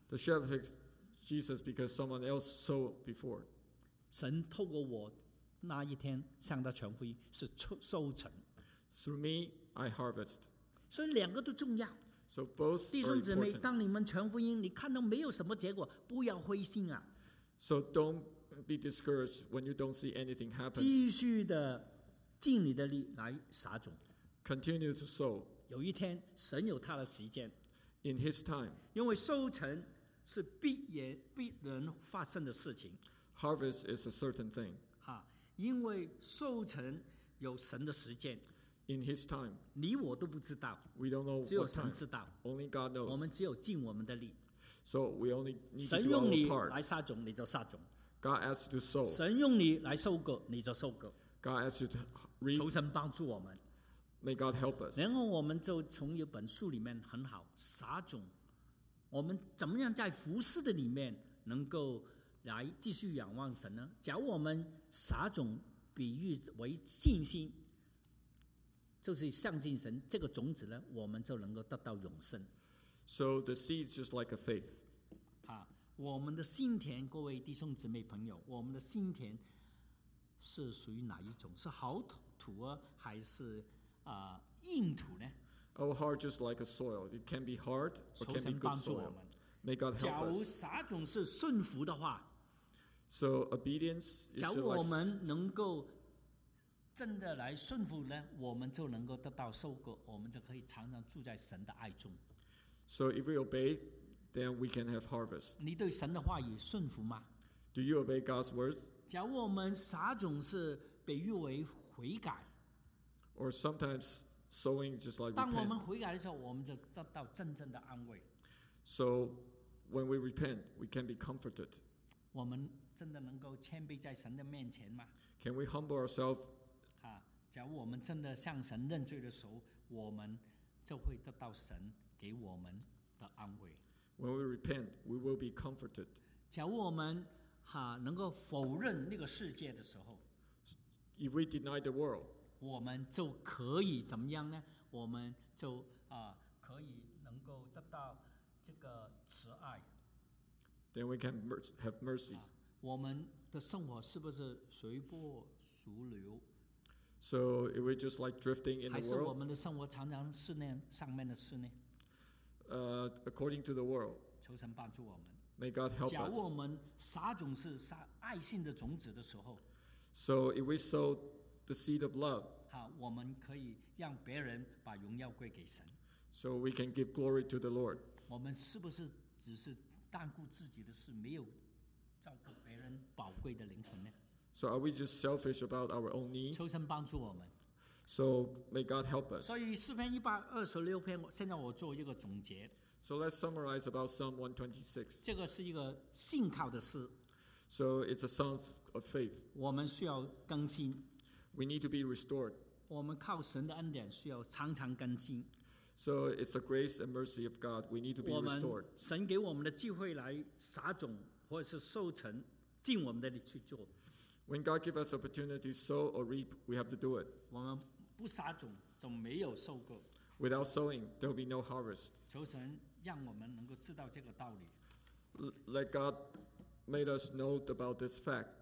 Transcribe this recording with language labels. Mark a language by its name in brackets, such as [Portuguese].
[English] The chef takes. Jesus, because someone else sowed before. [Chinese] 神透过我那一天向他传福音是收成。 [English] Through me, I harvest. [Chinese] 所以两个都重要。 [English] So both are important. [Chinese] 弟兄姊妹，当你们传福音，你看到没有什么结果，不要灰心啊。 [English] So don't be discouraged when you don't see anything happen. [Chinese] 继续的尽你的力来撒种。 [English] Continue to sow. [Chinese] 有一天，神有他的时间。 [English] In His time. [Chinese] 因为收成。是必然必然发生的事情。 [English] Harvest is a certain thing. [Chinese] 哈，因为收成有神的时间。 [English] In His time. [Chinese] 你我都不知道。 [English] We don't know. [Chinese] 只有神知道。 [English] Only God knows. [Chinese] 我们只有尽我们的力。 [English] So we only need to do our part. [Chinese] 神用你来撒种，你就撒种。 [English] God asks you to sow. [Chinese] 神用你来收割，你就收割。 [English] God asks you to reap. [Chinese] 求神帮助我们。 [English] May God help us. [Chinese] 然后我们就从一本书里面很好撒种。我们怎么样在服事的里面能够来继续仰望神呢？假如我们撒种比喻为信心，就是相信神这个种子呢，我们就能够得到永生。 [English] So the seed is just like a faith. [Chinese] 我们的心田，各位弟兄姊妹朋友，我们的心田是属于哪一种？是好土啊，还是硬土呢？ [English] Our heart just like a soil. It can be hard or can be good soil. May God help us. [Chinese] 假如撒种是顺服的话 [English] ，So obedience is like. [Chinese] 假如我们能够真的来顺服呢，我们就能够得到收割，我们就可以常常住在神的爱中。 [English] So if we obey, then we can have harvest. [Chinese] 你对神的话语顺服吗？ [English] Do you obey God's words? [Chinese] 假如我们撒种是被誉为悔改， [English] or sometimes sowing just like repent. [Chinese] 当我们悔改的时候，我们就得到真正的安慰。 [English] So when we repent, we can be comforted. [Chinese] 我们真的能够谦卑在神的面前吗？ [English] Can we humble ourselves? [Chinese] 假如我们真的向神认罪的时候，我们就会得到神给我们的安慰。 [English] When we repent, we will be comforted. [Chinese] 假如我们能够否认那个世界的时候， [English] If we deny the world, [Chinese] 我们就可以怎么样呢？我们就可以能够得到这个慈爱。 [English] Then we can have mercy. [Chinese] 我们的生活是不是随波逐流？ [English] So if we're just like drifting in the world? [Chinese] 还是我们的生活常常是那上面的事呢？ [English] According to the world. [Chinese] 求神帮助我们。 [English] May God help us. [Chinese] 假如我们撒种是撒爱心的种子的时候， [English] So if we sow the seed of love, [Chinese] 我们可以让别人把荣耀归给神。 [English] So we can give glory to the Lord. [Chinese] 我们是不是只是单顾自己的事，没有照顾别人宝贵的灵魂呢？ [English] So are we just selfish about our own needs? [Chinese] 求神帮助我们。 [English] So may God help us. [Chinese] 所以诗篇一百二十六篇，现在我做一个总结。 [English] So let's summarize about Psalm 126. [Chinese] 这个是一个信靠的诗。 [English] So it's a psalm of faith. [Chinese] 我们需要更新。 [English] We need to be restored. [Chinese] 我们靠神的恩典需要常常更新。 [English] So it's the grace and mercy of God. We need to be restored. [Chinese] 神给我们的机会来撒种或者是收成，尽我们的力去做。 [English] When God gives us opportunity to sow or reap, we have to do it. [Chinese] 我们不撒种就没有收割。 [English] Without sowing, there will be no harvest. [Chinese] 求神让我们能够知道这个道理。 [English] Let God made us know about this fact.